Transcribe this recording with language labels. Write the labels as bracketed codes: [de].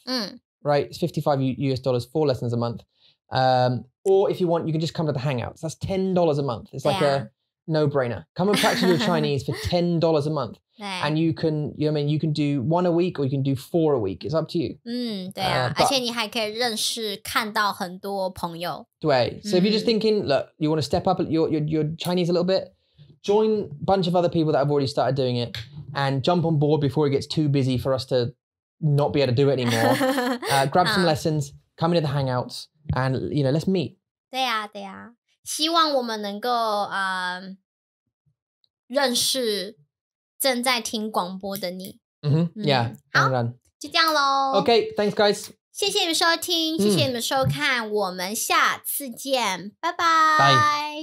[en] Mm. Right, it's $55 US, 4 lessons a month.、or if you want, you can just come to the Hangouts. That's $10 a month. It's like、yeah. a no-brainer. Come and practice your Chinese for $10 a month. And you can, you know what I mean, you can do one a week or you can do 4 a week. It's up to you. [zh] 对啊，而且你还可以认识看到很多朋友。对。 [en] So if you're just thinking, look, you want to step up your Chinese a little bit, join a bunch of other people that have already started doing it and jump on board before it gets too busy for us to... not be able to do it anymore. grab some lessons, come into the hangouts, and, you know, let's meet. [zh] 对啊对啊，希望我们能够、认识正在听广播的你。 [en] Mm-hmm. Yeah, [zh] 好，当然。就这样咯。 [en] OK, thanks guys. [zh] 谢谢你们收听，谢谢你们收看，我们下次见，拜拜。